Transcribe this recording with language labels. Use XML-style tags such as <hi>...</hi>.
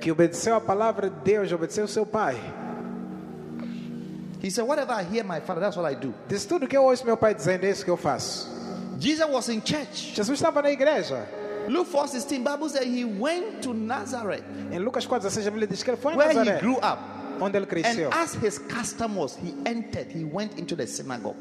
<pt>Que obedeceu a palavra de Deus, obedeceu seu pai.</pt> <en>He said, "Whatever I hear my father, that's what I do."</en> <pt>Diz tudo que eu ouço meu pai dizendo, é isso que eu faço.</pt> <en>Jesus was in church.</en> <pt>Jesus estava na igreja.</pt> <en>Luke 4:16, Bible says he went to Nazareth.</en> <pt>Em Lucas 4:16, ele diz que ele foi a</pt> <en>Nazaré. Where he grew up.</en> <pt>Onde ele cresceu.</pt> <en>And as his custom was, he entered, he went into the synagogue.</en>